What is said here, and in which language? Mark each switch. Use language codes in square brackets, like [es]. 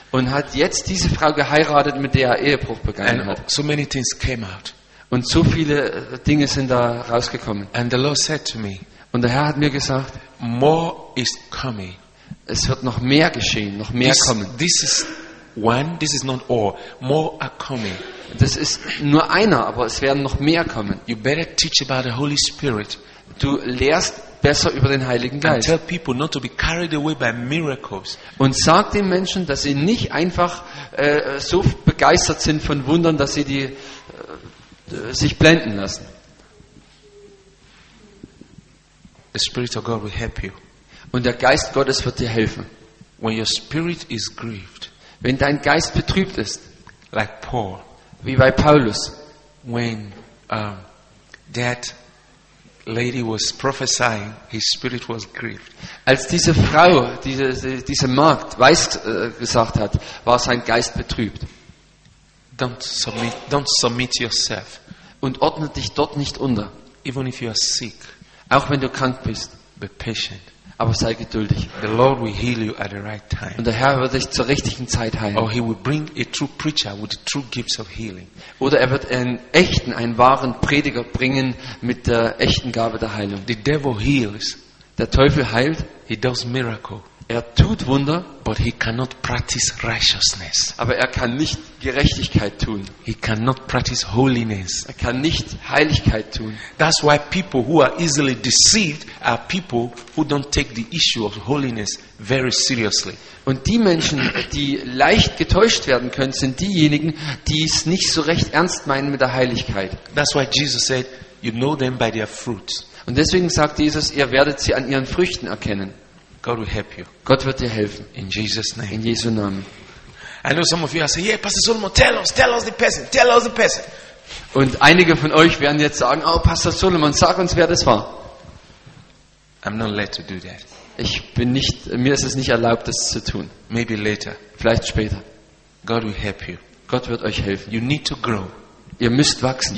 [de] Und hat jetzt diese Frau geheiratet, mit der er Ehebruch begangen hat. [en] So many things came out. [de] Und so viele Dinge sind da rausgekommen. [en] And the Lord said to me. [de] Und der Herr hat mir gesagt, [en] more is coming. [de] Es wird noch mehr geschehen, noch mehr kommen. [en] This is one, this is not all. More are coming. [de] Das ist nur einer, aber es werden noch mehr kommen. [en] You better teach about the Holy Spirit. [de] Du lehrst besser über den Heiligen Geist. [en] And tell people not to be carried away by miracles. [de] Und sag den Menschen, dass sie nicht einfach so begeistert sind von Wundern, dass sie sich blenden lassen. [en] The Spirit of God will help you. [de] Und der Geist Gottes wird dir helfen. [en] When your spirit is grieved, [de] wenn dein Geist betrübt ist, [en] like Paul, [de] wie bei Paulus, [en] when that lady was prophesying, his spirit was grieved. [de] Als diese Frau, diese Magd weisgesagt hat, war sein Geist betrübt. [en] Don't submit yourself. [de] Und ordne dich dort nicht unter. [en] Even if you are sick. [de] Auch wenn du krank bist, [en] be patient. [de] Aber sei geduldig. [en] The Lord will heal you at the right time. [de] Und der Herr wird dich zur richtigen Zeit heilen. [en] Or he will bring a true preacher with the true gifts of healing. [de] Oder er wird einen wahren Prediger bringen mit der echten Gabe der Heilung. [en] The devil heals. [de] Der Teufel heilt. [en] He does miracle. [de] Er tut Wunder, [en] but he cannot practice righteousness. [de] Aber er kann nicht Gerechtigkeit tun. [en] He cannot practice holiness. [de] Er kann nicht Heiligkeit tun. [en] That's why people who are easily deceived are people who don't take the issue of holiness very seriously. [de] Und die Menschen, die leicht getäuscht werden können, sind diejenigen, die es nicht so recht ernst meinen mit der Heiligkeit. [en] That's why Jesus said, you know them by their fruits. [de] Und deswegen sagt Jesus, ihr werdet sie an ihren Früchten erkennen. [en] God will help you. [de] Gott wird dir helfen. [en] In Jesus name. [de] In Jesu Namen. [en] I know some of you are saying, "Yeah, Pastor Solomon, tell us the person." [de] Und einige von euch werden jetzt sagen, "Oh, Pastor Solomon, sag uns, wer das war." [en] I'm not allowed to do that. [de] Mir ist es nicht erlaubt, das zu tun. [en] Maybe later. [de] Vielleicht später. [en] God will help you. [de] Gott wird euch helfen. [en] You need to grow. [de] Ihr müsst wachsen.